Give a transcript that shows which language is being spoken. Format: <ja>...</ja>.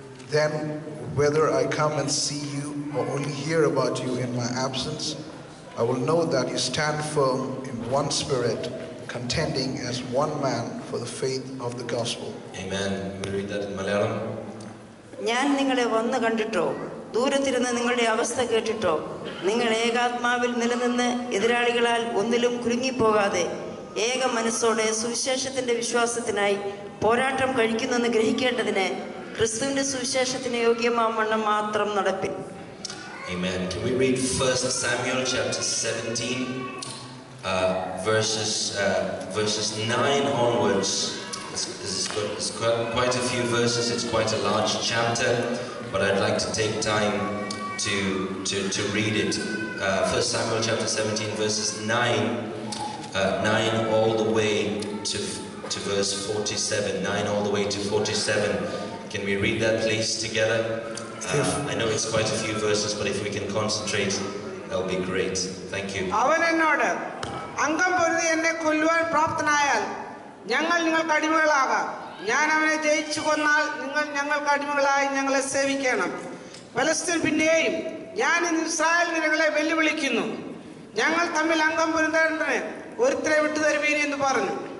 <en>Then, whether I come and see you or only hear about you in my absence, I will know that you stand firm in one spirit, contending as one man for the faith of the gospel. Amen. We read that in Malayalam.</en> <ml>ഞാൻ നിങ്ങളെ വന്നു കണ്ടിട്ടോ ദൂരത്തിരുന്ന് നിങ്ങളുടെ അവസ്ഥ കേട്ടിട്ടോ നിങ്ങൾ ഏകാത്മാവിൽ നിലനിന്ന് എതിരാളികളാൽ ഒന്നിലും കുരുങ്ങിപ്പോകാതെ ഏക മനസ്സോടെ സുവിശേഷത്തിന്റെ വിശ്വാസത്തിനായി പോരാട്ടം കഴിക്കുന്നെന്ന് ഗ്രഹിക്കേണ്ടതിന് ക്രിസ്തുവിന്റെ സുവിശേഷത്തിന് യോഗ്യമാവണ്ണം മാത്രം നടപ്പിൻ.</ml> <en>Amen. Can we read 1 Samuel chapter 17, verses 9 onwards? It's quite a few verses. It's quite a large chapter, but I'd like to take time to read it. 1 Samuel chapter 17, verses 9 all the way to verse 47. 9 all the way to 47. Can we read that, please, together? I know it's quite a few verses, but if we can concentrate, that'll be great. Thank you.</en> <ml>അവന എന്നോട് അംഗം പൊരുതി എന്നെ കൊല്ലുവാൻ പ്രാപ്തനായാൽ ഞങ്ങൾ നിങ്ങൾക്ക് അടിമകളാകാം. ഞാൻ അവനെ ജയിച്ചു കൊന്നാൽ നിങ്ങൾ ഞങ്ങൾക്ക് അടിമകളായി ഞങ്ങളെ സേവിക്കണം. ഫലസ്തീൻ പിന്നെയും ഞാൻ ഇന്ന് ഇസ്രായേൽ നിരകളെ വെല്ലുവിളിക്കുന്നു. ഞങ്ങൾ തമ്മിൽ അംഗം പൊരുതേണ്ടതിന് ഒരുത്തരെ വിട്ടുതരുവീൻ എന്ന് പറഞ്ഞു.</ml>